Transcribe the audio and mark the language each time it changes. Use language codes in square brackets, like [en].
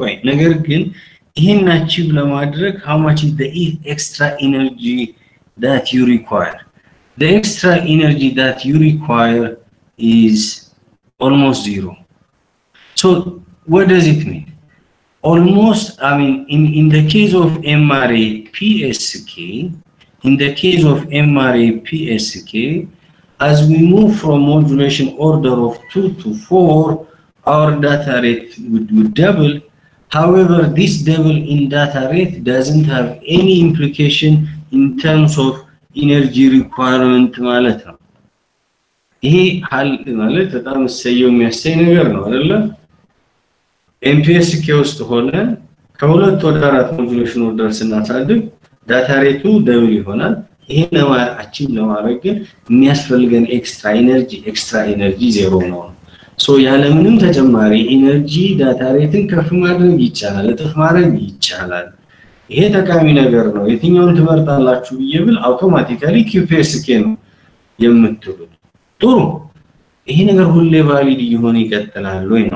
[am] ነገር ግን ይህን አቺቭ ለማድረግ [en] ሃው ማች ኢዝ ዘ ኤክስትራ ኢነርጂ ዳት ዩ ሪኳየር? ዘ ኤክስትራ ኢነርጂ ዳት ዩ ሪኳየር is almost zero. So what does it mean? Almost, I mean, in the case of MRA PSK, in the case of MRA PSK, as we move from modulation order of 2 to 4, our data rate would double. However, this double in data rate doesn't have any implication in terms of energy requirement malata. [am] ይሄ ሀል ማለት በጣም እሰየው የሚያሰኝ ነገር ነው አይደለ? ኤምፒኤስኬ ውስጥ ሆነ ከሁለት ወደ አራት ሞጁሌሽን ኦርደር ስናሳድግ ዳታ ሬቱ ደብል ይሆናል። ይሄ ለማችን ለማድረግ ግን የሚያስፈልገን ኤክስትራ ኢነርጂ ዜሮ ነው። ሶ ያለምንም ተጨማሪ ኢነርጂ ዳታ ሬትን ከፍ ማድረግ ይቻላል፣ እጥፍ ማድረግ ይቻላል። ይሄ ጠቃሚ ነገር ነው። የትኛውን ትመርጣላችሁ ብዬ ብል አውቶማቲካሊ ኪፒኤስኬ ነው የምትሉት። ጥሩ፣ ይሄ ነገር ሁሌ ቫሊድ እየሆነ ይቀጥላል ወይ?